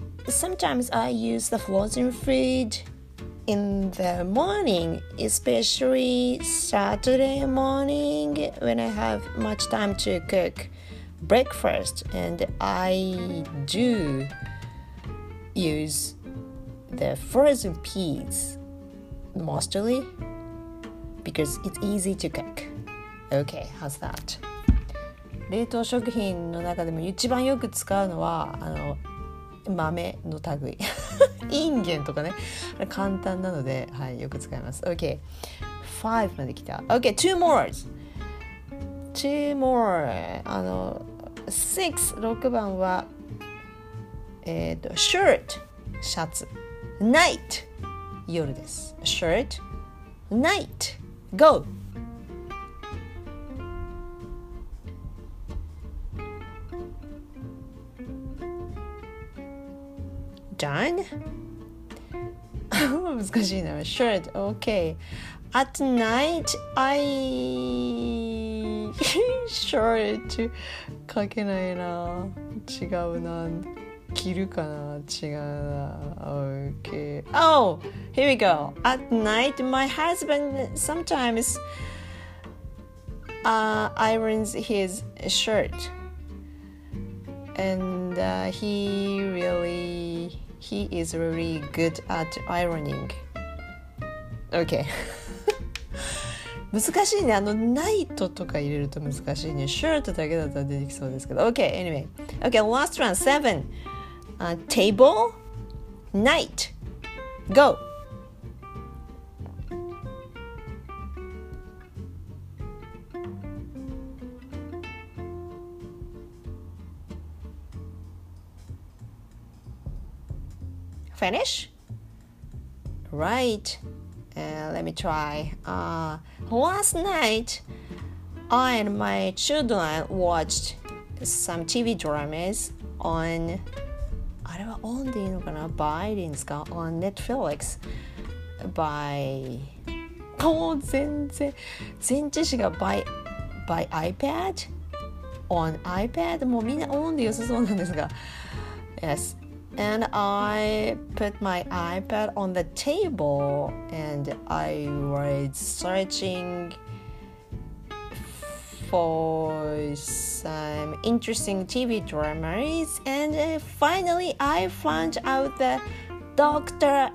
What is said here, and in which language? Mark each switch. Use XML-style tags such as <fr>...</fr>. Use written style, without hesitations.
<en>Sometimes I use the frozen food in the morning, especially Saturday morning when I have much time to cook breakfast. And I do use the frozen peas mostly because it's easy to cook. Okay, how's that?</en> <ja>冷凍食品の中でも一番よく使うのは、あの豆の類インゲンとかね、簡単なので、はい、よく使います。 OK 5まで来た。</ja> <en>OK 2 more</en> <ja>6番は、</ja> <en>shirt</en> <ja>シャツ</ja> <en>night</en> <ja>夜です。</ja> <en>shirt night go done</en> <ja>難しいな。shirt OK</ja> <en>at night I shirt</en> <ja>かけないな、違うな、着るかな、違うな。</ja> <en>OK oh here we go at night my husband sometimes irons his shirt and he is really good at ironing. Okay.</en> <ja>難しいね。あのナイトとか入れると難しいね。シュートだけだったら出てきそうですけど。</ja> <en>Okay, anyway. Okay, last one, 7. Table, night, go. Finish? Right. Let me try. Last night, I and my children watched some TV dramas on...</en> <ja>あれはオンでいいのかな?</ja> <en>By</en> <ja>でいいんですか?</ja> <en>On Netflix. By...</en> <ja>もう全然、全知識が</ja> <en>by iPad? On iPad?</en> <ja>もうみんなオンで良さそうなんですが。</ja> <en>Yes. And I put my iPad on the table and I was searching for some interesting TV dramas and finally I found out the Dr.</en>